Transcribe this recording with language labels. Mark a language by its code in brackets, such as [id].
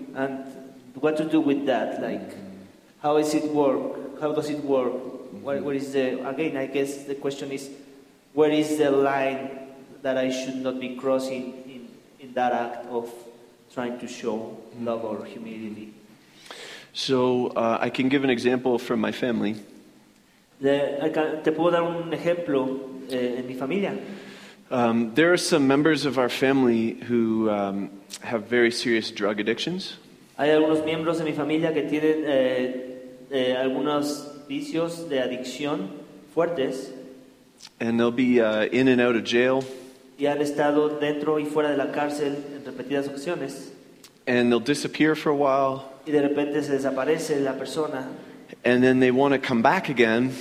[en] And what to do with that? Like, how is it work? How does it work? What is the again? I guess the question is, where is the line that I should not be crossing in that act of trying to show love or humility? So I can give an example from my family. [es] Te puedo dar un ejemplo en mi familia. [en] There are some members of our family who have very serious drug addictions. [es] Hay algunos miembros de mi familia que tienen algunos vicios de adicción fuertes. [en] And they'll be in and out of jail. [es] Y han estado dentro y fuera de la cárcel en repetidas ocasiones. [en] And they'll disappear for a while. [es] Y de repente se desaparece la persona. [en] And then they want to come back again.